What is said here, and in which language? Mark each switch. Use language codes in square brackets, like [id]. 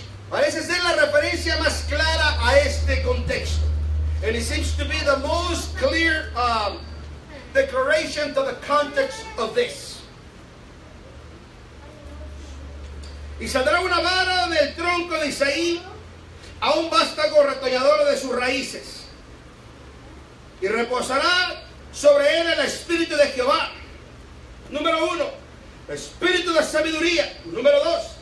[es] Parece ser la referencia más clara a este contexto. [en] And it seems to be the most clear declaration to the context of this. [es] Y saldrá una vara del tronco de Isaí a un vástago retoñador de sus raíces. Y reposará sobre él el Espíritu de Jehová. Número uno, Espíritu de sabiduría. Número dos,